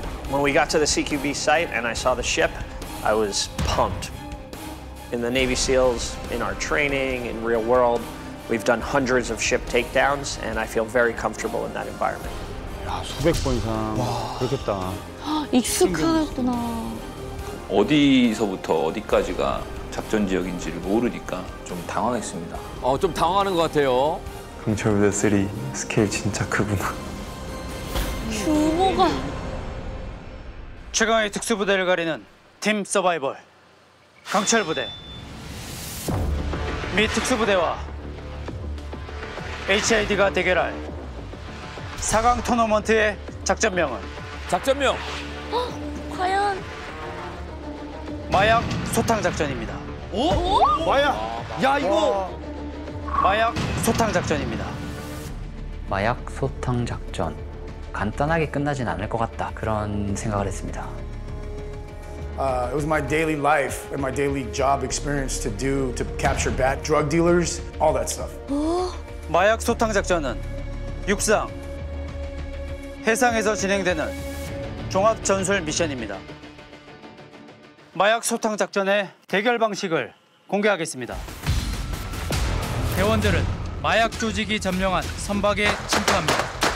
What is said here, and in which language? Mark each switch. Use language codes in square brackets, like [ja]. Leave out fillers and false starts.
[en] When we got to the CQB site and I saw the ship, I was pumped. In the Navy SEALs, in our training, in real world, we've done hundreds of ship takedowns and I feel very comfortable in that environment. [ko] 야, 수백 번 이상 그렇겠다. 익숙하구나. 어디서부터 어디까지가 작전 지역인지를 모르니까 좀 당황했습니다. 좀 당황하는 것 같아요. 강철부대 3 스케일 진짜 크구나. 규모가. 최강의 특수부대를 가리는 팀 서바이벌 강철부대 미 특수부대와 HID가 대결할 4강 토너먼트의 작전명은 작전명! 과연? 마약 소탕 작전입니다. 오? 오? 마약! 야 이거! 마약 소탕 작전입니다. 마약 소탕 작전 간단하게 끝나진 않을 것 같다 그런 생각을 했습니다. [en] It was my daily life and my daily job experience to do to capture bad drug dealers, all that stuff. [ko] 마약 소탕 작전은 육상, 해상에서 진행되는 종합 전술 미션입니다. 마약 소탕 작전의 대결 방식을 공개하겠습니다. 대원들은 마약 조직이 점령한 선박에 침투합니다.